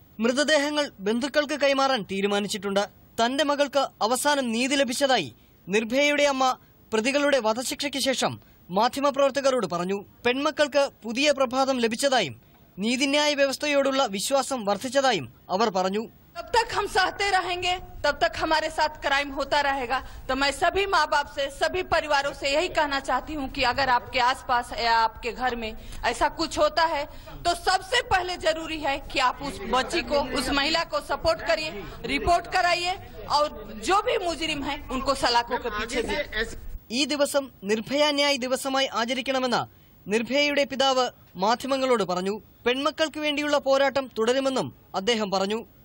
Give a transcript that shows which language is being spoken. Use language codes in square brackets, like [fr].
[ml] മൃതദേഹങ്ങൾ ബന്ധുക്കൾക്ക് കൈമാറാൻ തീരുമാനിച്ചിട്ടുണ്ട്. തന്റെ മകൾക്ക് അവസാനം നീതി ലഭിച്ചതായി നിർഭയയുടെ അമ്മ പ്രതികളുടെ വധശിക്ഷയ്ക്ക് ശേഷം മാധ്യമപ്രവർത്തകരോട് പറഞ്ഞു. പെൺമക്കൾക്ക് പുതിയ പ്രഭാതം ലഭിച്ചതായും നീതിന്യായ വ്യവസ്ഥയോടുള്ള വിശ്വാസം വർദ്ധിച്ചതായും അവർ പറഞ്ഞു. [hi] तब तक हम सहते रहेंगे, तब तक हमारे साथ क्राइम होता रहेगा. तो मैं सभी माँ बाप से, सभी परिवारों से यही कहना चाहती हूँ कि अगर आपके आस पास या आपके घर में ऐसा कुछ होता है तो सबसे पहले जरूरी है कि आप उस बच्ची को, उस महिला को सपोर्ट करिए, रिपोर्ट कराइए और जो भी मुजरिम है उनको सलाखों के पीछे दे. [ml] ई दिवसम निर्भया न्याय दिवसमाय आचरिक्कणमेन्न നിർഭയയുടെ പിതാവ് മാധ്യമങ്ങളോട് പറഞ്ഞു. പെൺമക്കൾക്ക് വേണ്ടിയുള്ള പോരാട്ടം തുടരുമെന്നും അദ്ദേഹം പറഞ്ഞു.